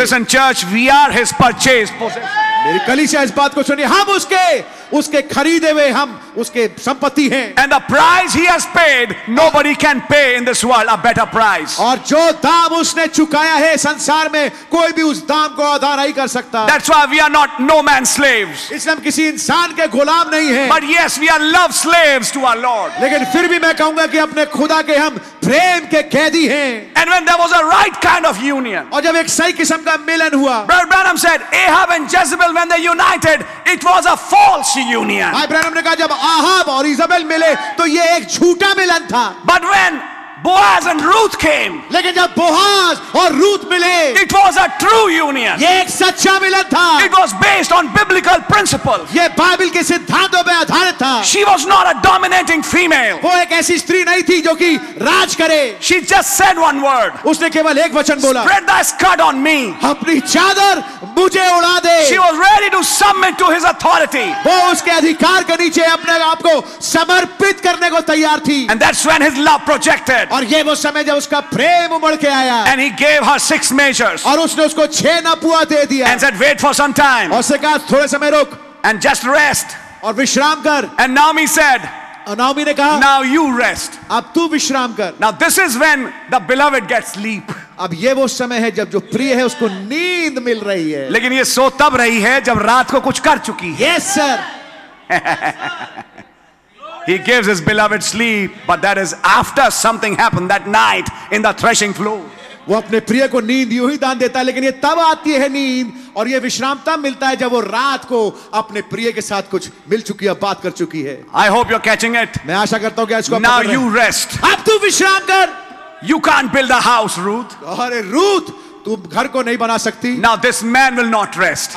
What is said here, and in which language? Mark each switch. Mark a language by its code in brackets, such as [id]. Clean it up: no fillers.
[en] Listen church, we are his purchased possession. [hi] मेरी कलीसिया इस बात को सुनिए, हम उसके उसके खरीदे हुए, हम उसके संपत्ति हैं. [en] And the price he has paid, nobody can pay in this world a better price. [hi] और जो दाम उसने चुकाया है संसार में कोई भी उस दाम को अदा नहीं कर सकता. [en] That's why we are not no man's slaves. [hi] इसलिए हम किसी इंसान के गुलाम नहीं हैं. [en] But yes, we are love slaves to our Lord. [hi] लेकिन फिर भी मैं कहूंगा कि अपने खुदा के हम प्रेम के कैदी हैं. [en] And when there was a right kind of union, [hi] और जब एक सही किस्म का मिलन हुआ, [en] Brother Branham said, Ahab and Jezebel when they united, it was a false union. [hi] भाई ब्रैनम ने कहा जब आहाब और इजबेल मिले तो ये एक झूठा मिलन था. [en] But when Boaz and Ruth came, [hi] लेकिन जब बोआज और रूथ मिले, [en] it was a true union. [hi] ये एक सच्चा मिलन था. [en] It was based on biblical principles. [hi] ये बाइबल के सिद्धांतों पे आधारित था. [en] She was not a dominating female. [hi] वो एक ऐसी स्त्री नहीं थी जो कि राज करे. [en] She just said one word. [hi] उसने केवल एक वचन बोला. [en] Spread thy skirt on me. [hi] अपनी चादर मुझे उड़ा दे. [en] She was ready to submit to his authority. [hi] वो उसके अधिकार के नीचे अपने आप को समर्पित करने को तैयार थी. [en] And that's when his love projected. [hi] और ये वो समय जब उसका प्रेम उमड़ के आया. [en] And he gave her six measures. [hi] और उसने उसको छह नपुआ दे दिया. [en] And said, wait for some time. [hi] और उसने कहा थोड़े समय रुक. [en] And just rest. [hi] और विश्राम कर. [en] And Naomi said, [hi] नाओमी ने कहा, [en] Now you rest. [hi] अब तू विश्राम कर. [en] Now this is when the beloved gets sleep. [hi] अब ये वो समय है जब जो प्रिय है उसको नींद मिल रही है. लेकिन ये सो तब रही है जब रात को कुछ कर चुकी है. [en] Yes, sir. He gives his beloved sleep, but that is after something happened that night in the threshing floor. [hi] वो अपने प्रिय को नींद यूं ही दान देता है, लेकिन ये तब आती है नींद और ये विश्राम तब मिलता है जब वो रात को अपने प्रिय के साथ कुछ मिल चुकी है, बात कर चुकी है. [en] I hope you're catching it. [hi] मैं आशा करता हूँ कि इसको. [en] Now you rest. [hi] अब तू विश्राम कर. [en] You can't build a house, Ruth. [hi] अरे रूथ, तू घर को नहीं बना सकती. [en] Now this man will not rest.